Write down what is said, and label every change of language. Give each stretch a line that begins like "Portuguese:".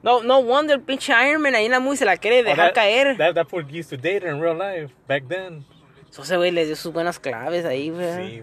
English: No wonder bitch
Spanish: Iron Man ahí en la movie se la quiere dejar caer.
English: That fool used to date her in real life back then.
Spanish: So ese güey le dio sus buenas claves ahí, güey.